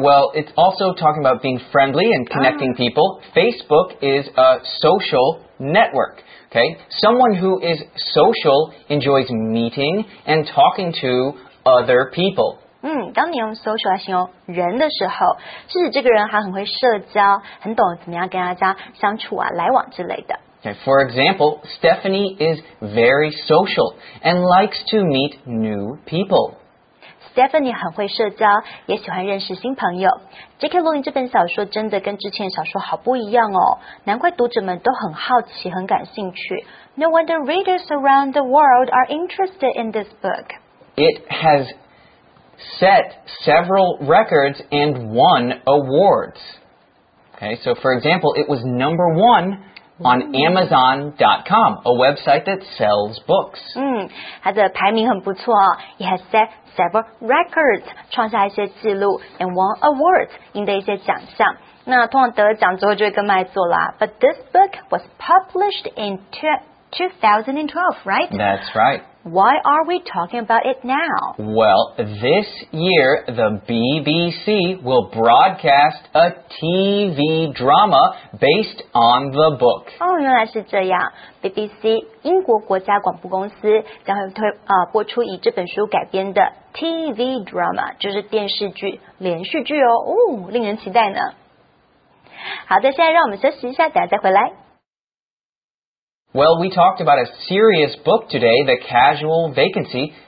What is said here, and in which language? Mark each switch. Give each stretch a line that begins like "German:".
English: Well, it's also talking about being friendly and connecting people. Facebook is a social network. Okay, someone who is social enjoys meeting and talking to other people.
Chinese: 当你用 social 来形容人的时候，是指这个人还很会社交，很懂怎么样跟大家相处啊、来往之类的。
English: Okay, for example, Stephanie is very social and likes to meet new people.
Chinese: Stephanie 很会社交，也喜欢认识新朋友。J.K. 罗琳这本小说真的跟之前小说好不一样哦，难怪读者们都很好奇、很感兴趣。
English: No wonder readers around the world are interested in this book. It has... set several records and won awards. Okay, so for example, it was number one on Amazon.com, a website that sells books.
Chinese: 它的排名很不错哦。
English: It has set several records,
Chinese: 创下一些记录
English: and won awards,
Chinese: 赢得一些奖项。那通常得奖之后就会更卖座啦。
English: But this book was published in 2012, right? That's right. Why are we talking about it now? Well, this year, the BBC will broadcast a TV drama based on the book.
Chinese: 哦，原来是这样。BBC, 英国国家广播公司将会推，播出以这本书改编的 TV drama, 就是电视剧，连续剧哦。哦，令人期待呢。好的，现在让我们休息一下，等下再回来。
English: Well, we talked about a serious book today, The Casual Vacancy.